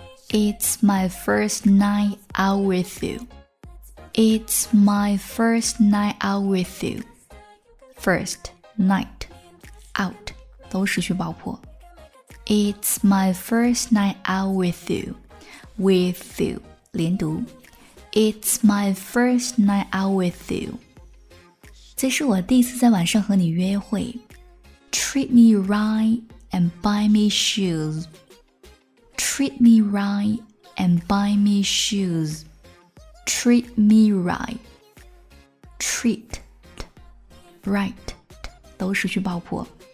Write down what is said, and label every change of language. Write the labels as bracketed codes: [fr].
[en] It's my first night out with you. It's my first night out with you. First night out [zh] 都失去爆破。 [en] It's my first night out with you. With you [zh] 连读。 [en] It's my first night out with you. [zh] 这是我第一次在晚上和你约会。 [en] Treat me right and buy me shoes. Treat me right and buy me shoes. Treat me right. Treat right [zh] 都失去爆破。